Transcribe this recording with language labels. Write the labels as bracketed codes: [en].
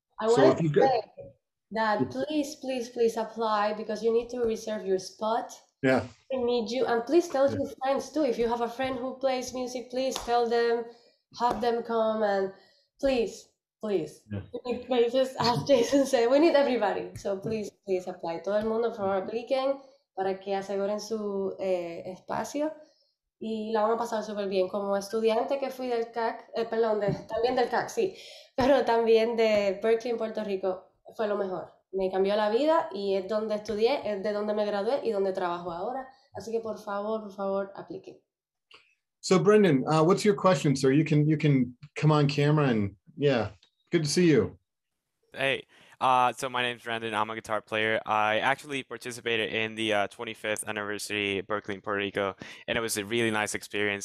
[en] Please apply because you need to reserve your spot. Yeah. We need you. And please tell your friends too. If you have a friend who plays music, please tell them, have them come and please. Yeah. We need places, as Jason said, we need everybody. So please apply. [es] Todo el mundo [en] for applying [es] para que aseguren su espacio. Y la vamos a pasar súper bien. Como estudiante que fui del CAC, también del CAC, sí, pero también de Berklee en Puerto Rico, fue lo mejor. Me cambió la vida y es donde estudié, es de donde me gradué y donde trabajo ahora. Así que por favor, aplique. [en] So, Brendan, what's your question, sir? You can come on camera and, yeah, good to see you. Hey, so my name is Brendan. I'm a guitar player. I actually participated in the 25th anniversary Berklee in Puerto Rico, and it was a really nice experience.